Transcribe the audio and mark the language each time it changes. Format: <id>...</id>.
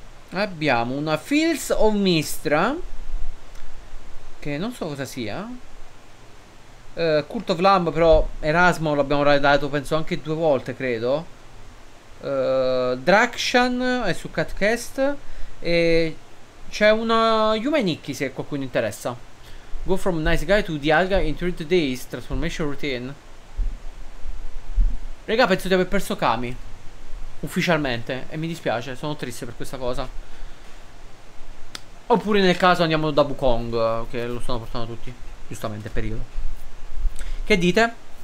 <it>Abbiamo una Fields of Mistra, che non so cosa sia. Cult of Lamb, però Erasmo l'abbiamo raidato penso anche 2 volte, credo. Drakshan è su Catcast. E c'è una Yumenikki se qualcuno interessa.</it> <en>Go from nice guy to Dialga in 30 days. Transformation routine.</en> <it>Regà, penso di aver perso Kami. Ufficialmente. E mi dispiace, sono triste per questa cosa. Oppure nel caso andiamo da Wukong, che lo stanno portando tutti. Giustamente, periodo. Che dite?</it>